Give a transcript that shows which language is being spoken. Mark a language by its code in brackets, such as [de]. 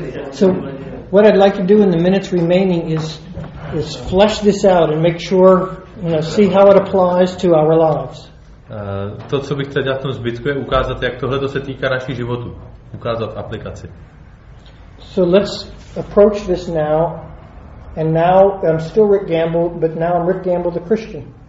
[en] So what I'd like to do in the minutes remaining is flesh this out and make sure, you know, see how it applies to our lives. [cs] To, co bych chtěl dělat v tom zbytku, je ukázat, jak tohle to se týká našich životů. Ukázat aplikaci. [en] So let's approach this now, and now I'm still Rick Gamble, but now I'm Rick Gamble the Christian.